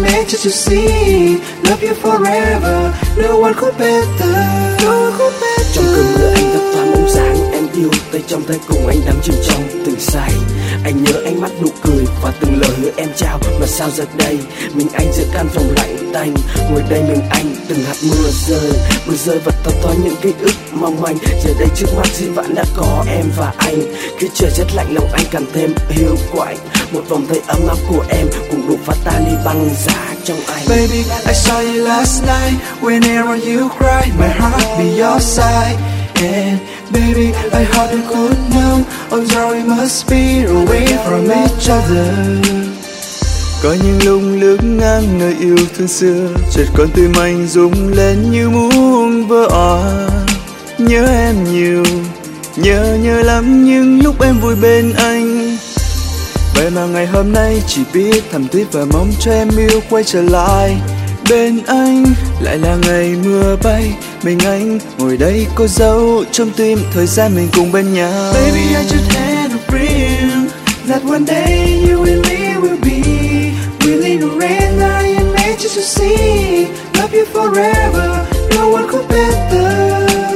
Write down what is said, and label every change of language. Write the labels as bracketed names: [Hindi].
[English] Just to see, love you forever, no one could better, no one could better. [Vietnamese] Trong cơn mưa anh thấp thoáng bóng dáng em yêu, tay trong tay cùng anh đắm chìm trong từng say. Anh nhớ ánh mắt nụ cười và từng lời hứa em trao, mà sao giờ đây mình anh giữa căn phòng lạnh tanh. Ngồi đây mình anh từng hạt mưa rơi và thấp thoáng những ký ức mong manh. Giờ đây trước mắt duyên vẫn đã có em và anh. Khi trời rất lạnh lòng anh càng thêm yêu quạnh. Một vòng tay ấm áp của em cùng đủ phát tan đi băng giá. [English] Baby, I saw you last night. Whenever you cry, my heart be your side. And baby, I hope you could know. I'm sorry, must be away from each other. [Vietnamese] Có những lúc lướt ngang nơi yêu thương xưa, chợt con tim anh rung lên như muốn vỡ òa. Nhớ em nhiều, nhớ lắm những lúc em vui bên anh. Vậy mà ngày hôm nay chỉ biết thầm tiếc và mong cho em yêu quay trở lại bên anh. Lại là ngày mưa bay, mình anh ngồi đây cô dâu trong tim thời gian mình cùng bên nhau. [English] Baby, I just had a dream that one day you and me will be. Within a rain, I am made just to see. Love you forever, no one could better.